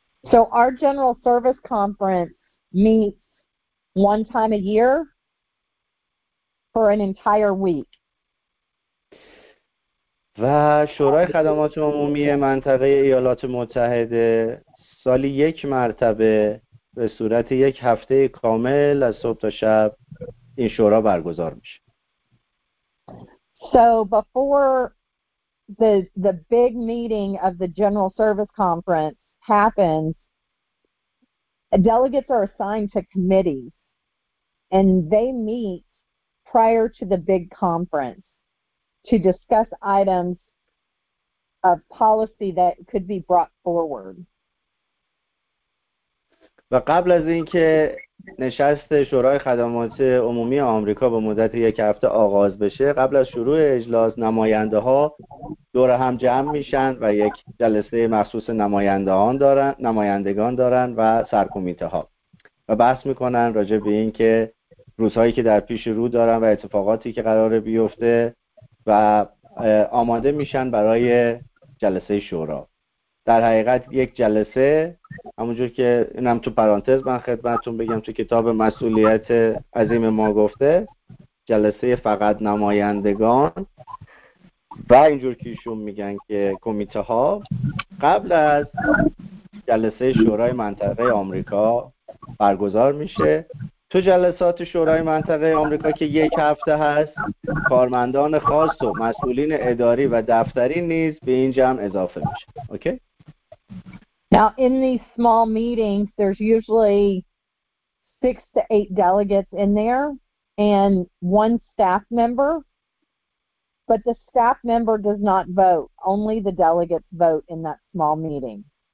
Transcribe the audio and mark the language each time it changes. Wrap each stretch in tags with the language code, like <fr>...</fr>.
<en>So our general service conference meets one time a year for an entire week.</en> <fa>و شورای خدمات عمومی منطقه ایالات متحده سالی یک مرتبه به صورت یک هفته کامل از صبح تا شب این شورا برگزار میشه.</fa> <en>So before the big meeting of the General Service Conference happens, delegates are assigned to committees and they meet prior to the big conference to discuss items of policy that could be brought forward.</en> <fa>و قبل از اینکه نشست شورای خدمات عمومی آمریکا به مدت یک هفته آغاز بشه، قبل از شروع اجلاس نماینده ها دور هم جمع میشن و یک جلسه مخصوص نمایندگان دارن و سرکمیته ها و بحث میکنن راجع به اینکه روزهایی که در پیش رو دارن و اتفاقاتی که قراره بیفته و آماده میشن برای جلسه شورا. در حقیقت یک جلسه، همونجور که اینم تو پرانتز من خدمتتون بگم، تو کتاب مسئولیت عظیم ما گفته جلسه فقط نمایندگان و اینجور که ایشون میگن که کمیته ها قبل از جلسه شورای منطقه آمریکا برگزار میشه. تو جلسات شورای منطقه آمریکا که یک هفته هست، کارمندان خاص و مسئولین اداری و دفتری نیز به این جمع اضافه میشه. اوکی؟</fa> <en>Now, in these small meetings, there's usually 6 to 8 delegates in there and one staff member, but the staff member does not vote. Only the delegates vote in that small meeting.</en>